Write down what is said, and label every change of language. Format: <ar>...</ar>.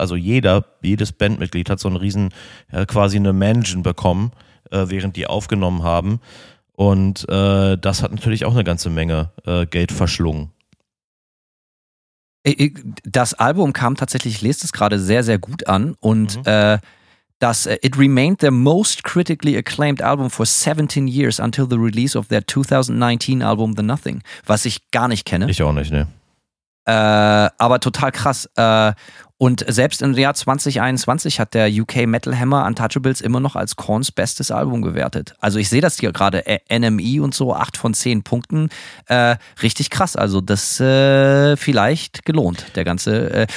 <de>Also jedes Bandmitglied hat so ein Riesen, ja, quasi eine Mansion bekommen, während die aufgenommen haben. Und das hat natürlich auch eine ganze Menge Geld verschlungen. Das Album kam tatsächlich, ich lese es gerade, sehr, sehr gut an.</de> <en>Und das It remained their most critically acclaimed album for 17 years until the release of their 2019 album The Nothing,</en> <de>was ich gar nicht kenne. Ich auch nicht, ne. Aber total krass. Und selbst im Jahr 2021 hat der UK Metal Hammer Untouchables immer noch als Korns bestes Album gewertet. Also ich sehe das hier gerade, NME und so, 8 von 10 Punkten. Richtig krass, also das vielleicht gelohnt, der ganze.</de>